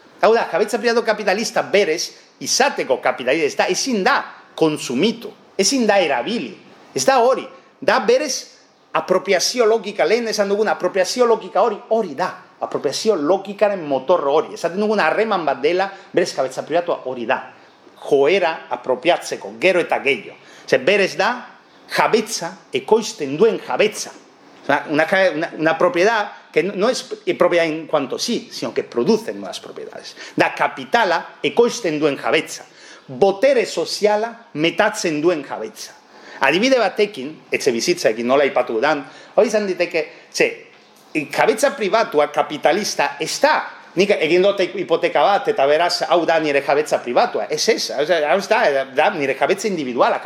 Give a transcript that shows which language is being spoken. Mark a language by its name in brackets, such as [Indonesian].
[Basque] Hau da, jabetza pribatua kapitalista berez, izateko kapitalista, ez da, ezin da konsumitu, ezin da erabili, ez da hori, da berez, apropiazio logika, lehen esan duguna, apropiazio logika hori, hori da. Apropiazio logikaren motor hori. Esaten duguna harreman bat dela, berez kabetza pribatua hori da. Joera apropiatzeko, gero eta gehiago. Zer, berez da, jabetza, ekoizten duen jabetza. [Spanish] Una propiedad, que no es propiedad en cuanto sí, sino que producen nuevas propiedades. [Basque] Da, kapitala, ekoizten duen jabetza. Botere soziala, metatzen duen jabetza. Adibide batekin, etxe bizitzaekin nola ipatu dan, hori izan diteke, ze, jabetza pribatua kapitalista ez da, nik egin dote hipoteka bat, eta beraz, hau da nire jabetza pribatua, ez, hau ez da, da nire jabetza individuala.